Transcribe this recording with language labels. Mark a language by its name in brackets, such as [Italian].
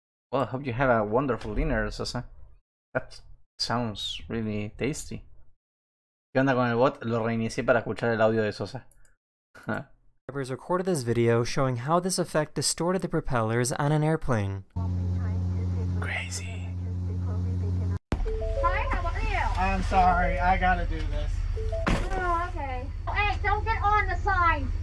[English] Well, I hope you have a wonderful dinner, Sosa. That sounds really tasty. [Spanish] ¿Qué onda con el bot? Lo reinicié para escuchar el audio de Sosa. [English] Drivers recorded this video showing how this effect distorted the propellers on an airplane. Crazy. Hi, how are you? I'm sorry, I gotta do this. Oh, okay. Hey, don't get on the sign!